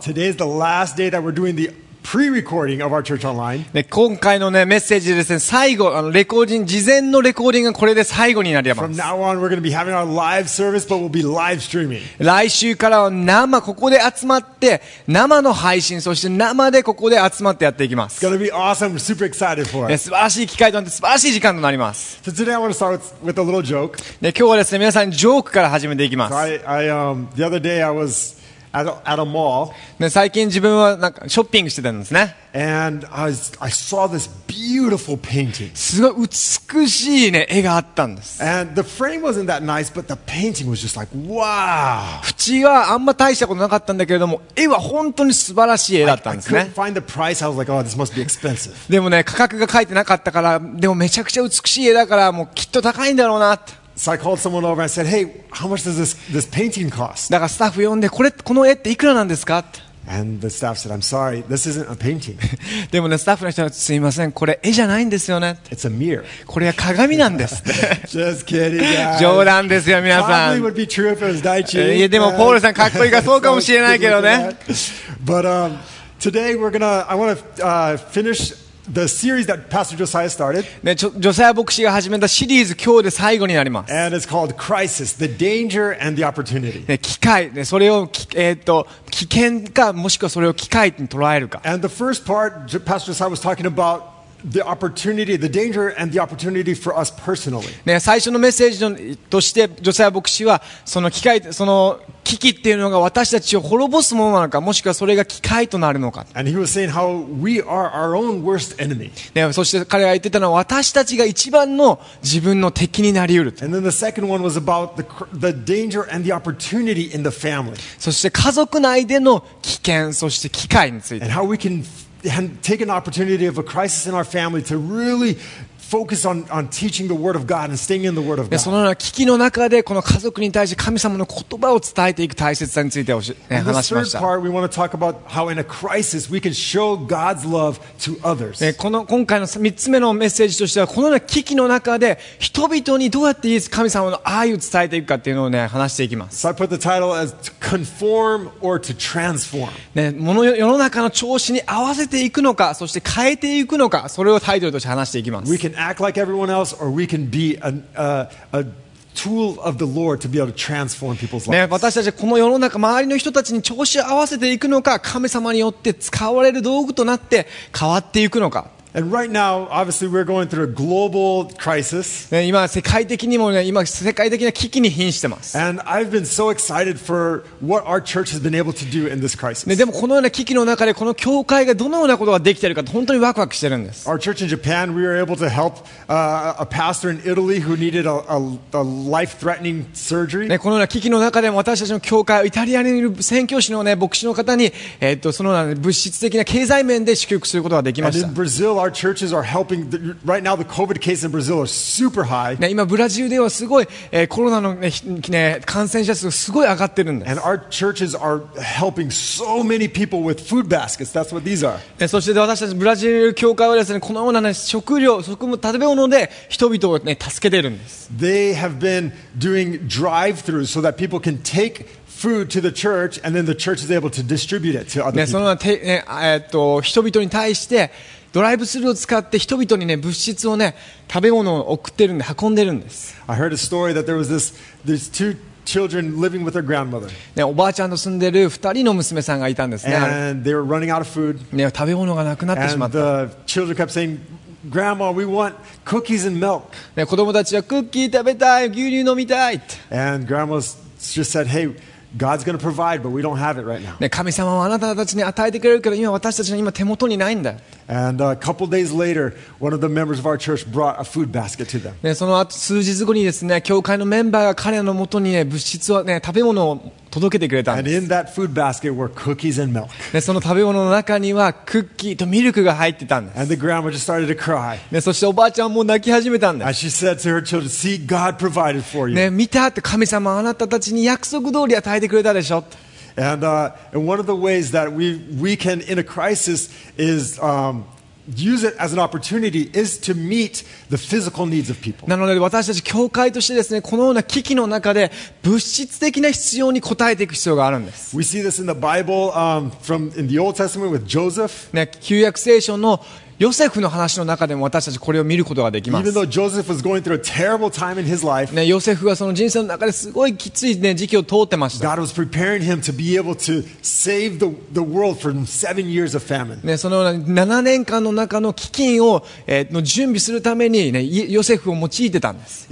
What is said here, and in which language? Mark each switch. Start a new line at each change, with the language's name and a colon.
English: Today is the last day that we're doing the pre-recording of our Church Online.
Japanese: ね、今回のね、メッセージですね、最後、あの、レコーディング、事前のレコーディングがこれで最後になります。
English: From now on, we're going to be having our live service, but we'll be live streaming.
Japanese: 来週からは生、ここで集まって、生の配信、そして生でここで集まってやっていきます。
English: It's going to be awesome. We're super excited for it.
Japanese: ね、素晴らしい機会となって、素晴らしい時間となります。
English: So today I want to start with a little joke.
Japanese: ね、今日はですね、皆さん、ジョークから始めていきます。
English: So the other day I was... At a mall.
Japanese: ね、最近自分はなんかショッピングしてたんですね。
English: And I saw this beautiful painting.
Japanese: すごい美しいね、絵があったんです。
English: And the frame wasn't that nice, but the painting was just like, wow.
Japanese: 縁はあんま大したことなかったんだけれども、絵は本当に素晴らしい絵だったんですね。
English: I couldn't find the price. I was like, oh, this must be expensive.
Japanese: でもね、価格が書いてなかったから、でもめちゃくちゃ美しい絵だから、もうきっと高いんだろうなって。
English: So I called someone over. I said, "Hey, how much does this painting cost?"
Japanese: だからスタッフ呼んで、これこの絵っていくらなんですか
English: And the staff said, "I'm sorry, this isn't a painting."
Japanese: でもね、スタッフの人はすいません、これ絵じゃないんですよね。
English: It's a mirror.
Japanese: これは鏡なんです。
English: Just kidding, guys.
Japanese: 冗談ですよ、皆さん。
English: Probably would be true if it was Daichi.
Japanese: いやでもポールさんかっこいいからそうかもしれないけどね。
English: But today we're gonna. I want to finish. The series that Pastor Josiah started.
Japanese: ね、ジョサイア牧師が始めたシリーズ今日で最後になります。
English: And it's called Crisis, the Danger and the Opportunity.
Japanese: ね、機会、ね、それを危険かもしくはそれを機会に捉えるか。
English: And the first part, Pastor Josiah was talking about the opportunity, the danger and the opportunity for us personally.
Japanese: ね、最初のメッセージとしてジョサイア牧師はその機会、その危機っていうのが私たちを滅ぼすものなのか、もしくはそれが機会となるのか。
English: And he was saying how we are our own worst enemy.
Japanese: ね、そして彼が言ってたのは私たちが一番の自分の敵になりうると。
English: And then the second one was about the danger and the opportunity in the family.
Japanese: そして家族内での危険、そして機会について。
English: And how we can take an opportunity of a crisis in our family to really. Focus on teaching the word of God and staying in the word of God.
Japanese: そのような危機の中でこの家族に対して神様の言葉を伝えていく大切さについて話しました。
English: And the third part, we want to talk about how in a crisis we can show God's love to others.
Japanese: この今回の3つ目のメッセージとしてはこのような危機の中で人々にどうやって神様の愛を伝えていくかっていうのをね話していきます。
English: So I put the title as to conform or to transform.
Japanese: ね、世の中の調子に合わせていくのか、そして変えていくのか、それをタイトルとして話していきます。
English: Act like everyone else, or we can be a tool of the Lord to be able to transform people's lives.
Japanese: ね、私たちこの世の中周りの人たちに調子を合わせていくのか、神様によって使われる道具となって変わっていくのか。
English: And right now, obviously, we're going through a global crisis.
Japanese: ね、今世界的にもね、今世界的な危機に瀕してます。
English: And I've been so excited for what our church has been able to do in this crisis.
Japanese: ね、でもこのような危機の中でこの教会がどのようなことができているか本当にワクワクしてるんです。
English: Our church in Japan, we were able to help a pastor in Italy who needed a life-threatening surgery.
Japanese: ね、このような危機の中でも私たちの教会、イタリアにいる宣教師のね、牧師の方にそのような物質的な経済面で祝福することができました。
English: And in Brazil,Our churches are helping. Right now, the COVID cases in Brazil are super high.
Japanese: ね、今ブラジルではすごい、コロナの、ね、感染者数すごい上がってるんです。
English: And our churches are helping so many people with food baskets. That's what these are.
Japanese: ね、そして私たちブラジル教会はですね、このような、ね、食料、食物、食べ物で人々を、ね、助けてるんです。
English: They have been doing drive-throughs so that people can take. Food to the church, and then the church is able to distribute it to other people.
Japanese: ね、そのて、ね、人々に対してドライブスルーを使って人々にね、物質をね、食べ物を送ってるんで、運んでるんです。
English: I heard a story that there was this two children living with their grandmother.
Japanese: ね、おばあちゃんと住んでる二人の娘さんがいたんですね。
English: And they were running out of food.
Japanese: ね、食べ物がなくなってしまった。
English: And the children kept saying,Grandma, we want cookies and milk.
Japanese: ね、子供たちはクッキー食べたい、牛乳飲みたい。
English: And grandma just said, hey,God's going to provide, but we don't have it right now.
Japanese: ね、神様はあなたたちに与えてくれるけど、今私たちの今手元にないんだ。
English: And a couple days later, one of the members of our church brought a food basket to them.
Japanese: ね、その後数日後にですね、教会のメンバーが彼の元に、ね、物質をね、食べ物を届けてくれたんです。
English: And in that food basket were cookies and milk.
Japanese: ね、その食べ物の中にはクッキーとミルクが入ってたんです。
English: And the grandma just started to cry.
Japanese: ね、そしておばあちゃんも泣き始めたんです。
English: And she said to her children, "See, God provided for you."
Japanese: ね、見たって神様はあなたたちに約束通り与えてくれたでしょ。
English: And one of the ways that we can in a crisis is use it as an opportunity is to meet the physical needs of people.
Japanese: なので私たち教会としてですね、このような危機の中で物質的な必要に応えていく必要があるんです。
English: We see this in the Bible, from in the Old Testament with Joseph.
Japanese: ね、旧約聖書のヨセフの話の中でも私たちこれを見ることができます。
English: Even though Joseph was going through a terrible time in his life,
Japanese: ね、ヨセフはその人生の中ですごいきつい、ね、時期を通ってました。
English: God was preparing him to be able to save the world from 7 years of famine.
Japanese: ね、そのような7年間の中の飢饉を、の準備するために、ね、ヨセフを用いてたんです。